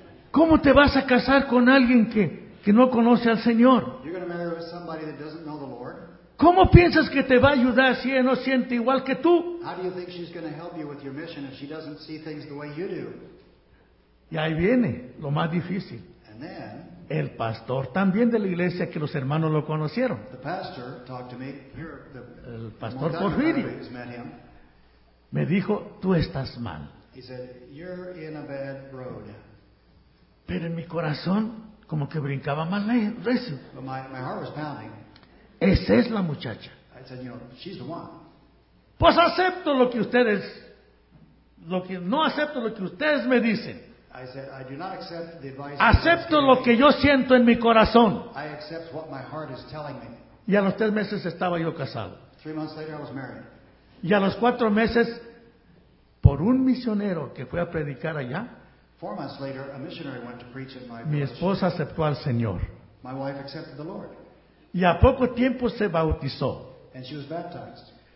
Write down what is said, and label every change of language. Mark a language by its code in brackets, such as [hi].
[es] ¿Cómo te vas a casar con alguien que no conoce al Señor? [en] You're going to marry with somebody that doesn't know the Lord? [es] ¿Cómo piensas que te va a ayudar si ella no siente igual que tú? [en] How do you think she's going to help you with your mission if she doesn't see things the way you do? [es] Y ahí viene lo más difícil. [en] And then, [es] el pastor también de la iglesia que los hermanos lo conocieron. [en] The pastor talked to me. Here, [es] el pastor Porfirio me dijo, tú estás mal. [en] He said, you're in a bad road. [es] Pero en mi corazón, como que brincaba más recio. [en] My heart was pounding. [es] Esa es la muchacha. [en] I said, you know, she's the one. [es] Pues acepto lo que ustedes, lo que no acepto lo que ustedes me dicen. [en] I said, I do not accept the advice. [es] Acepto lo que yo siento en mi corazón. [en] I accept what my heart is telling me. [es] Y a los 3 meses estaba yo casado. [en] 3 months later I was married. [es] Y a los 4 meses, por un misionero que fue a predicar allá, [en] 4 months later, a missionary went to preach at my [es] mi esposa [en] village. [es] Aceptó al Señor. [en] My wife accepted the Lord. [es] Y a poco tiempo se bautizó. [en] And she was baptized.